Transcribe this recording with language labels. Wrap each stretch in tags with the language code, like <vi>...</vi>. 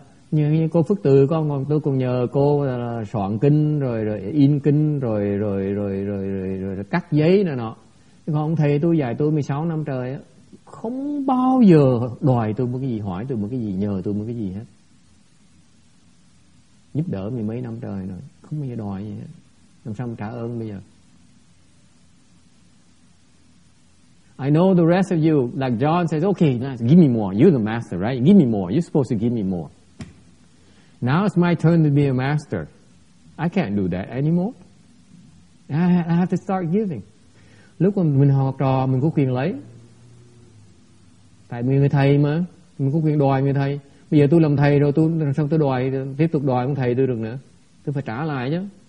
<vi>Như cô Phước Từ, tôi còn nhờ cô soạn kinh, rồi in kinh, rồi cắt giấy này nọ. Nhưng còn ông thầy tôi dạy tôi 16 năm trời á, không bao giờ đòi tôi một cái gì, hỏi tôi một cái gì, nhờ tôi một cái gì hết. Giúp đỡ mình mấy năm trời rồi, không bao giờ đòi gì hết. Làm sao mà trả ơn bây giờ?</vi> <en>I know the rest of you, like John says, okay, nice, give me more. You're the master, right? Give me more. You're supposed to give me more. Now it's my turn to be a master. I can't do that anymore. I have to start giving.</en> <vi>Lúc mà mình học trò, mình có quyền lấy. Tại vì người thầy mà, mình có quyền đòi người thầy. Bây giờ tôi làm thầy rồi, tôi đòi, tiếp tục đòi ông thầy tôi được nữa. Tôi phải trả lại chứ.</vi>